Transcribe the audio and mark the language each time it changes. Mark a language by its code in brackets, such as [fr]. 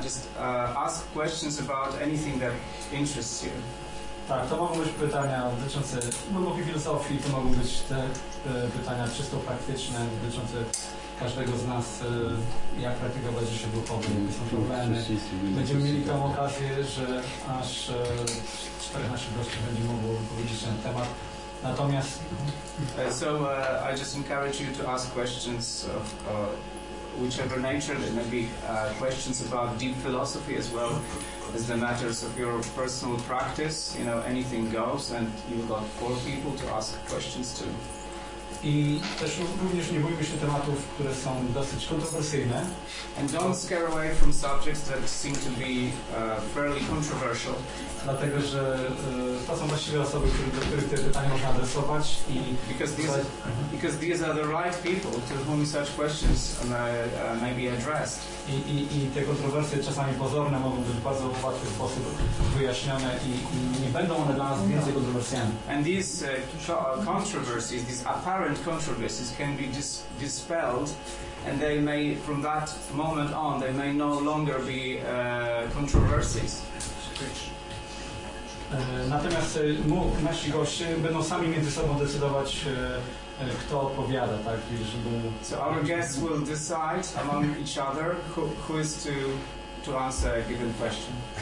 [en] Just ask questions about anything that interests you. [pl] Tak, to mogą być pytania dotyczące głębokiej filozofii, to mogą być te pytania czysto praktyczne, dotyczące każdego z nas, jak praktykować, że się był pobyt, są problemy. Będziemy mieli tą okazję, że aż czterech naszych gości będzie mogło wypowiedzieć ten temat. Natomiast... [en] I just encourage you to ask questions of whichever nature, there may be questions about deep philosophy as well as the matters of your personal practice, you know, anything goes, and you've got four people to ask questions to. [pl] I też również nie bójmy się tematów, które są dosyć kontrowersyjne. [en] And don't scare away from subjects that seem to be fairly controversial. [pl] Dlatego, że to są właściwie osoby, do których te pytania można adresować. I [en] because these are the right people to whom such questions may be addressed. [pl] I te kontrowersje czasami pozorne mogą być w bardzo łatwy sposób wyjaśnione i nie będą one dla nas więcej kontrowersjami. [en] And these controversies, these apparent controversies can be dispelled, and they may, from that moment on, they may no longer be controversies. [pl] Natomiast nasi goście będą sami między sobą decydować, kto odpowiada, tak? [en] So our guests will decide among each other who is to answer a given question.